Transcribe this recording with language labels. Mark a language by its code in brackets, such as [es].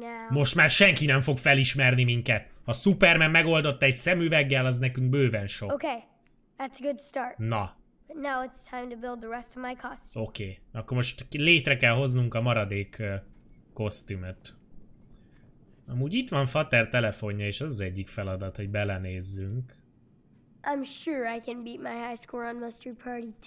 [hu] Most már senki nem fog felismerni minket! A Superman megoldotta egy szemüveggel, az nekünk bőven sok. [en] Okay, that's a good start. [hu] Na. [en] But now it's time to build the rest of my costume. [hu] Okay, akkor most létre kell hoznunk a maradék kosztümöt. Amúgy itt van Fater telefonja, és az egyik feladat, hogy belenézzünk. [en] I'm sure I can beat my high score on Mustard Party 2.